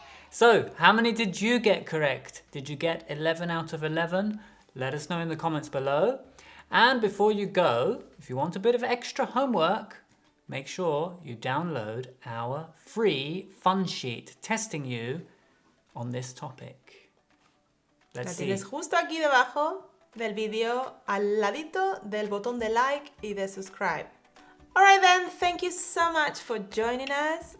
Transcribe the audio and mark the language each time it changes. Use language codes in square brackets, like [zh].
[en] So, how many did you get correct? Did you get 11 out of 11? Let us know in the comments below. And before you go, if you want a bit of extra homework, make sure you download our free fun sheet testing you on this topic. Let's see. [es] La tienes justo aquí debajo del video, al ladito del botón de like y de subscribe. [en] Alright then, thank you so much for joining us.